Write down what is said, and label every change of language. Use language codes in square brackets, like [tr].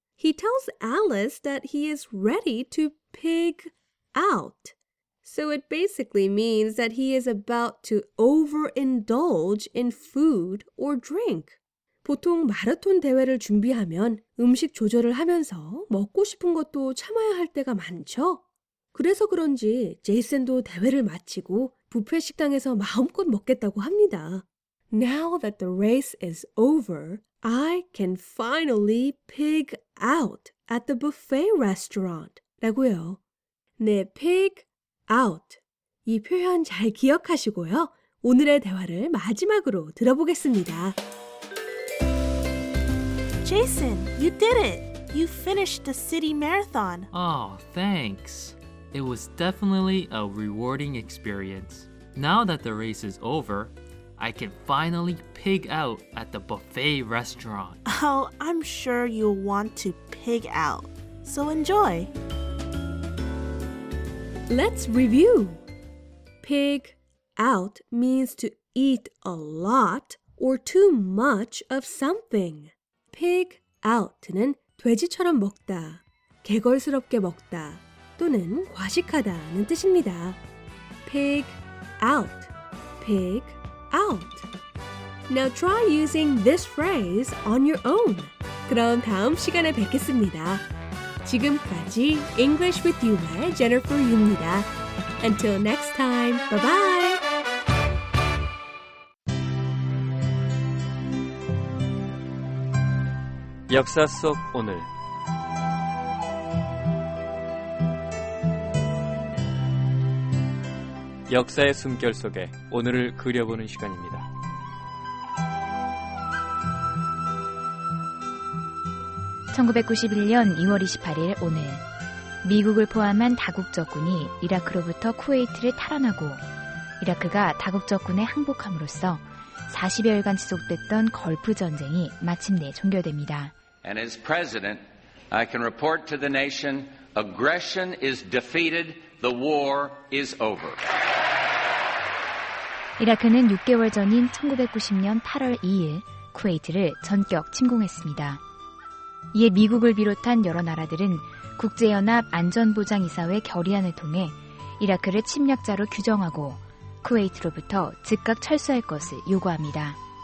[en] He tells Alice that he is ready to pig out. So it basically means that he is about to overindulge in food or drink. [ko] 보통 마라톤 대회를 준비하면 음식 조절을 하면서 먹고 싶은 것도 참아야 할 때가 많죠? 그래서 그런지 제이슨도 대회를 마치고 뷔페 식당에서 마음껏 먹겠다고 합니다. [en] Now that the race is over, I can finally pig out at the buffet restaurant. [ko] 라고요. 네, pig out. 이 표현 잘 기억하시고요. 오늘의 대화를 마지막으로 들어보겠습니다. [en] Jason, you did it! You finished the city marathon! Oh, thanks! It was definitely a rewarding experience. Now that the race is over, I can finally pig out at the buffet restaurant. Oh, I'm sure you'll want to pig out. So enjoy! Let's review! Pig out means to eat a lot or too much of something. [ko] Pig out는 돼지처럼 먹다, 개걸스럽게 먹다 또는 과식하다는 뜻입니다. [en] Pig out, pig out. Now try using this phrase on your own. [ko] 그럼 다음 시간에 뵙겠습니다. 지금까지 English with You의 Jennifer Yu입니다. [en] Until next time, bye-bye! [ko] 역사 속 오늘. 역사의 숨결 속에 오늘을 그려보는 시간입니다. 1991년 2월 28일 오늘, 미국을 포함한 다국적군이 이라크로부터 쿠웨이트를 탈환하고 이라크가 다국적군에 항복함으로써 40여일간 지속됐던 걸프 전쟁이 마침내 종결됩니다. [en] And as president, I can report to the nation, aggression is defeated, the war is over. [ko] 이라크는 6개월 전인 1990년 8월 2일 쿠웨이트를 전격 침공했습니다. 이에 미국을 비롯한 여러 나라들은 국제연합 안전보장이사회 결의안을 통해 이라크를 침략자로 규정하고 쿠웨이트로부터 즉각 철수할 것을 요구합니다.